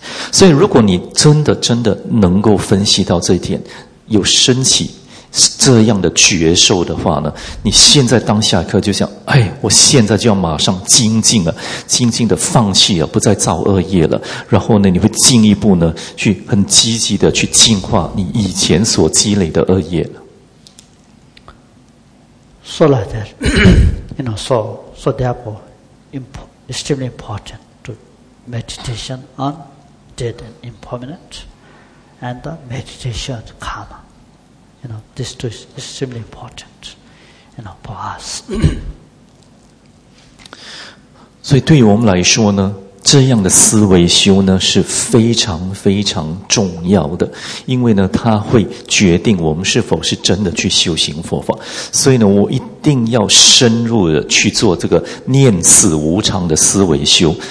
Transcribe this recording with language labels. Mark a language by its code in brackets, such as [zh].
[zh] 所以如果你真的能够分析到这一点，有升起这样的觉受的话呢，你现在当下一刻就想，哎，我现在就要马上精进了，精进的放弃了，不再造恶业了。然后呢，你会进一步呢，去很积极的去净化你以前所积累的恶业了。 [en] So like that, you know, so therefore, extremely important to meditation on dead and impermanent, and the meditation on karma. You know, this too is extremely important, you know, for us. [zh] 所以对于我们来说呢，这样的思维修呢是非常非常重要的，因为呢它会决定我们是否是真的去修行佛法。所以呢我一定要深入的去做这个念死无常的思维修。